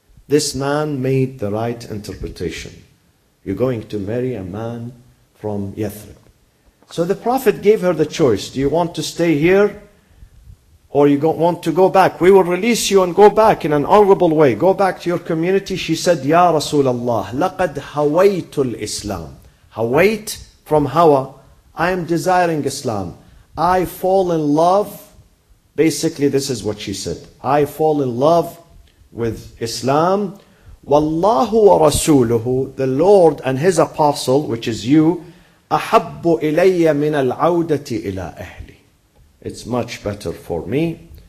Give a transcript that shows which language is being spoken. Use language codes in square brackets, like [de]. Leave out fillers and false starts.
[en] This man made the right interpretation. You're going to marry a man from Yathrib. So the Prophet gave her the choice. Do you want to stay here or you want to go back? We will release you and go back in an honorable way. Go back to your community. She said, Ya Rasulallah, [ar] لقد هويت الإسلام. [en] هويت from هوى. I am desiring Islam. I fall in love. Basically, this is what she said. I fall in love with Islam. [ar] وَاللَّهُ وَرَسُولُهُ, [en] the Lord and His Apostle, which is you, [ar] أَحَبُّ إِلَيَّ مِنَ الْعَوْدَةِ إِلَىٰ أَهْلِ, [en] it's much better for me